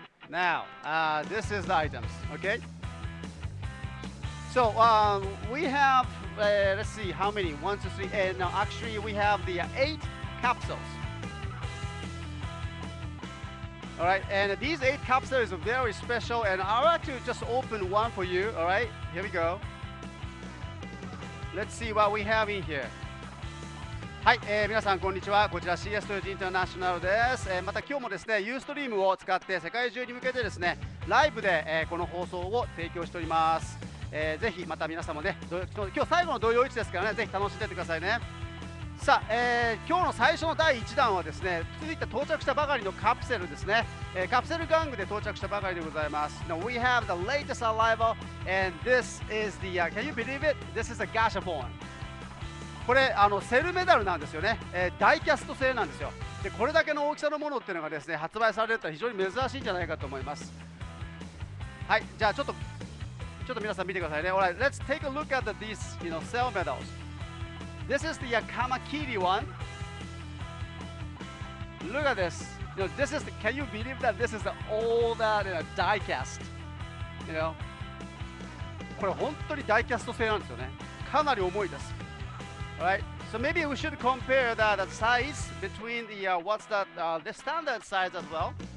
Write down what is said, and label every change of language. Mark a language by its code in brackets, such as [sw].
[en] Now, this is the items, okay? So we have, let's see, how many? 1, 2, 3, and now actually we have the 8 capsules. All right, and these 8 capsules are very special, and I'll actually just open one for you, all right? Here we go. Let's see what we have in here. [ja] はい、皆さんこんにちは。こちら CSTOYS International です、また今日もですね、Ustream を使って世界中に向けてですね、ライブで、この放送を提供しております、ぜひまた皆さんもね、今日最後の土曜市ですからね、ぜひ楽しんでてくださいね。さあ、今日の最初の第1弾はですね、続いて到着したばかりのカプセルですね、カプセル玩具で到着したばかりでございます。 [en] Now we have the latest arrival and this is the, can you believe it? This is a gashapon. [ja] これあのセルメダルなんですよね、ダイキャスト製なんですよ。でこれだけの大きさのものっていうのがですね発売されたら非常に珍しいんじゃないかと思います。はい、じゃあちょっと皆さん見てくださいね。 [en] Alright, let's take a look at the, these, you know, cell medals. This is the Yakamakiri one. Look at this. You know, this is the, can you believe that this is the older, you know, diecast? You know? [ja] これ本当にダイキャスト製なんですよね。かなり重いです。 [en] Right, so maybe we should compare the size between the, what's that, the standard size as well.